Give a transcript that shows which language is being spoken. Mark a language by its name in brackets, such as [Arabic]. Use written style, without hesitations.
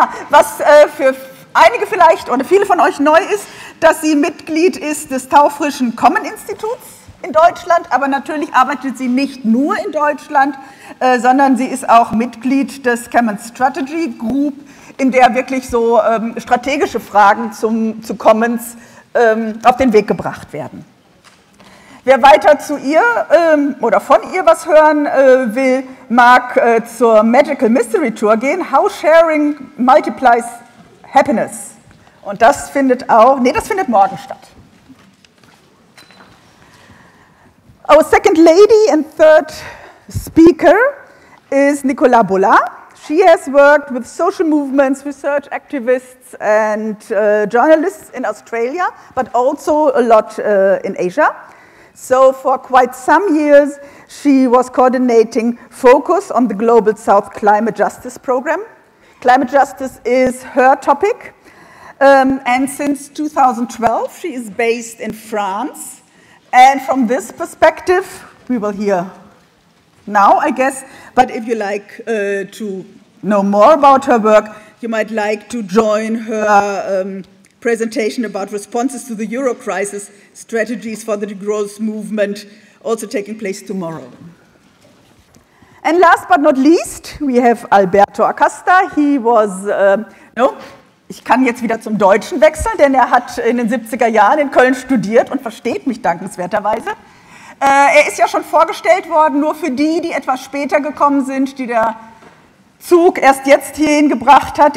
[German] Was für einige vielleicht oder viele von euch neu ist, dass sie Mitglied ist des taufrischen Common-Instituts in Deutschland, aber natürlich arbeitet sie nicht nur in Deutschland, sondern sie ist auch Mitglied des Common Strategy Group, in der wirklich so strategische Fragen zu Commons auf den Weg gebracht werden. Wer weiter zu ihr oder von ihr was hören will, mag zur Magical Mystery Tour gehen. [English] How Sharing Multiplies Happiness. [German] Und das findet auch, nee, das findet morgen statt. [English] Our second lady and third speaker is Nicola Bulla. She has worked with social movements, research activists and journalists in Australia, but also a lot in Asia. So for quite some years, she was coordinating focus on the Global South Climate Justice Program. Climate justice is her topic. And since 2012, she is based in France. And from this perspective, we will hear now, I guess. But if you like to know more about her work, you might like to join her presentation about responses to the euro crisis, strategies for the degrowth movement, also taking place tomorrow. And last but not least, we have Alberto Acosta. He was, [German] ich kann jetzt wieder zum Deutschen wechseln, denn hat in den 70er Jahren in Köln studiert und versteht mich dankenswerterweise. Ist ja schon vorgestellt worden, nur für die, die etwas später gekommen sind, die der Zug erst jetzt hierhin gebracht hat.